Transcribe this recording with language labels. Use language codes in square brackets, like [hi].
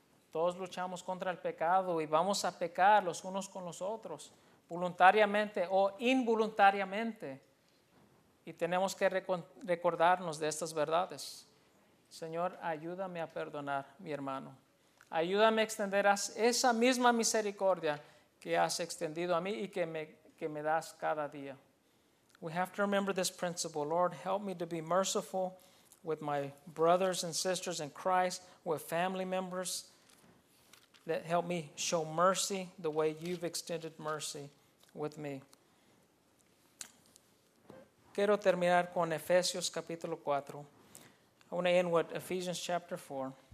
[es] Todos luchamos contra el pecado y vamos a pecar los unos con los otros, voluntariamente o involuntariamente. Y tenemos que recordarnos de estas verdades. Señor, ayúdame a perdonar a mi hermano. Ayúdame a extender esa misma misericordia que has extendido a mí y que me das cada día. [en] We have to remember this principle. Lord, help me to be merciful with my brothers and sisters in Christ, with family members. That help me show mercy the way you've extended mercy with me. [es] Quiero terminar con Efesios capítulo 4. [en] I want to end with Ephesians chapter 4.